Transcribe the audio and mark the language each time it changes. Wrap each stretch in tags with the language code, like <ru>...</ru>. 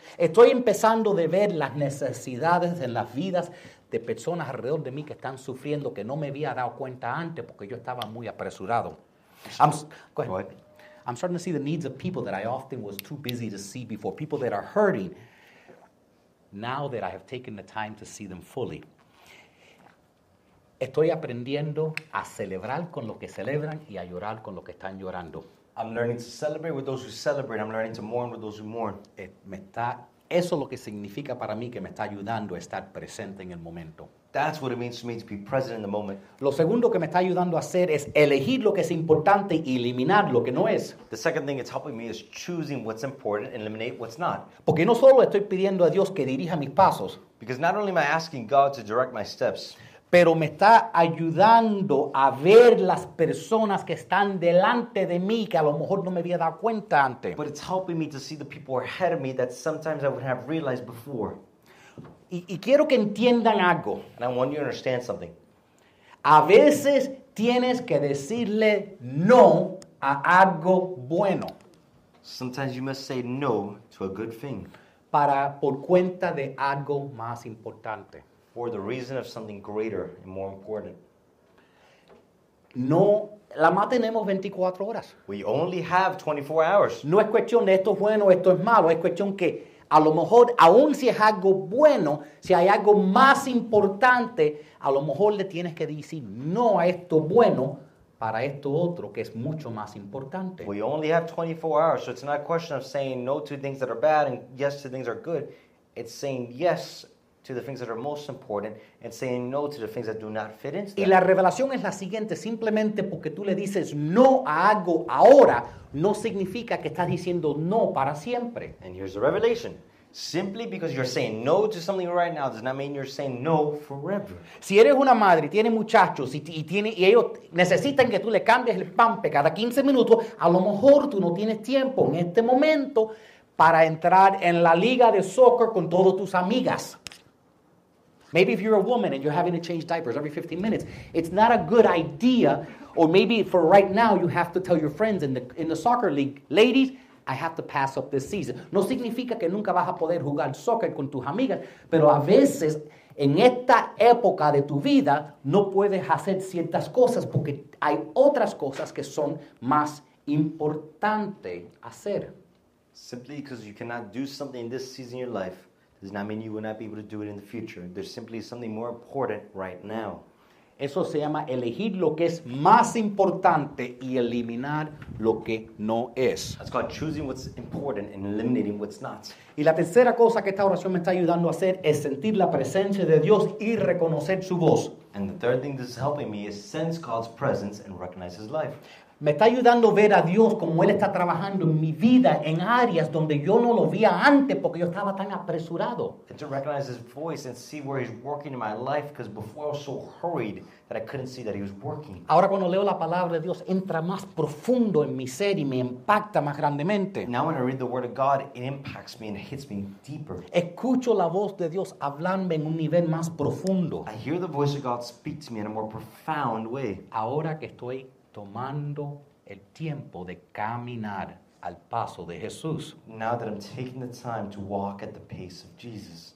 <es>Estoy empezando de ver las necesidades en las vidas de personas alrededor de mí que están sufriendo, que no me había dado cuenta antes porque yo estaba muy apresurado.</es> <en>I'm starting to see the needs of people that I often was too busy to see before. People that are hurting. Now that I have taken the time to see them fully.</en> <es>Estoy aprendiendo a celebrar con los que celebran y a llorar con los que están llorando.</es> <en>I'm learning to celebrate with those who celebrate. I'm learning to mourn with those who mourn.</en> <es>Eso es lo que significa para mí que me está ayudando a estar presente en el momento.</es> <en>That's what it means to me to be present in the moment.</en> <es>Lo segundo que me está ayudando a hacer es elegir lo que es importante y eliminar lo que no es.</es> <en>The second thing it's helping me is choosing what's important and eliminate what's not.</en> <es>Porque no solo estoy pidiendo a Dios que dirija mis pasos.</es> <en>Because not only am I asking God to direct my steps.</en> <es>Pero me está ayudando a ver las personas que están delante de mí que a lo mejor no me había dado cuenta antes.</es> <en>But it's helping me to see the people ahead of me that sometimes I wouldn't have realized before.</en> <es>Y quiero que entiendan algo.</es> <en>And I want you to understand something.</en> <es>A veces tienes que decirle no a algo bueno.</es> <en>Sometimes you must say no to a good thing.</en> <es>Para por cuenta de algo más importante.</es> <en>For the reason of something greater and more important.</en> <es>No, la más tenemos 24 horas.</es> <en>We only have 24 hours.</en> <es>No es cuestión de esto es bueno, esto es malo. Es cuestión que a lo mejor, aun si es algo bueno, si hay algo más importante, a lo mejor le tienes que decir no a esto bueno para esto otro que es mucho más importante.</es> <en>We only have 24 hours, so it's not a question of saying no to things that are bad and yes to things that are good. It's saying yes to the things that are most important and saying no to the things that do not fit into them.</en> <es>Y la revelación es la siguiente, simplemente porque tú le dices no a algo ahora, no significa que estás diciendo no para siempre.</es> <en>And here's the revelation. Simply because you're saying no to something right now does not mean you're saying no forever.</en> <es>Si eres una madre y tienes muchachos y ellos necesitan que tú le cambies el pampe cada 15 minutos, a lo mejor tú no tienes tiempo en este momento para entrar en la liga de soccer con todos tus amigas.</es> <en>Maybe if you're a woman and you're having to change diapers every 15 minutes, it's not a good idea. Or maybe for right now, you have to tell your friends in the soccer league, ladies, I have to pass up this season.</en> <es>No significa que nunca vas a poder jugar soccer con tus amigas, pero a veces, en esta época de tu vida, no puedes hacer ciertas cosas porque hay otras cosas que son más importante hacer.</es> <en>Simply because you cannot do something in this season in your life, does not mean you will not be able to do it in the future. There's simply something more important right now.</en> <es>Eso se llama elegir lo que es más importante y eliminar lo que no es.</es> <en>That's called choosing what's important and eliminating what's not.</en> <es>Y la tercera cosa que esta oración me está ayudando a hacer es sentir la presencia de Dios y reconocer su voz.</es> <en>And the third thing that's helping me is sense God's presence and recognize his life.</en> <es>Me está ayudando a ver a Dios como Él está trabajando en mi vida en áreas donde yo no lo veía antes porque yo estaba tan apresurado.</es> <en>And to recognize His voice and see where He's working in my life because before I was so hurried that I couldn't see that He was working.</en> <es>Ahora cuando leo la palabra de Dios entra más profundo en mi ser y me impacta más grandemente.</es> <en>Now when I read the Word of God, it impacts me and it hits me deeper.</en> <es>Escucho la voz de Dios hablando en un nivel más profundo.</es> <en>I hear the voice of God speak to me in a more profound way.</en> <es>Ahora que estoy tomando el tiempo de caminar al paso de Jesús.</es> <en>Now that I'm taking the time to walk at the pace of Jesus.</en>